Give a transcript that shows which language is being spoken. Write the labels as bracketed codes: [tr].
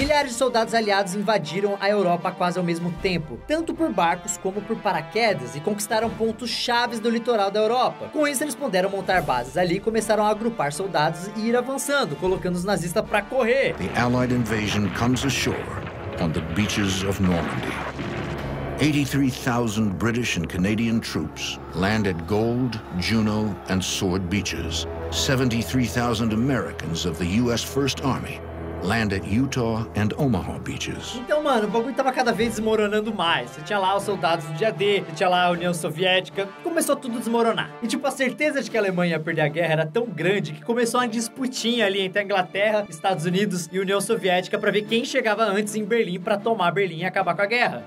[pt] Soldados aliados invadiram a Europa quase ao mesmo tempo, tanto por barcos como por paraquedas, e conquistaram pontos chaves do litoral da Europa. Com isso, eles puderam montar bases ali e começaram a agrupar soldados e ir avançando, colocando os nazistas para correr. [en] The Allied invasion comes ashore on the beaches of Normandy. 83,000 British and Canadian troops land at Gold, Juno and Sword beaches. 73,000 Americans of the US First Army land at Utah and Omaha beaches. [pt] Então, mano, o bagulho tava cada vez desmoronando mais. Você tinha lá os soldados do dia D, você tinha lá a União Soviética, começou tudo a desmoronar. E tipo, a certeza de que a Alemanha ia perder a guerra era tão grande que começou uma disputinha ali entre a Inglaterra, Estados Unidos e União Soviética pra ver quem chegava antes em Berlim pra tomar Berlim e acabar com a guerra.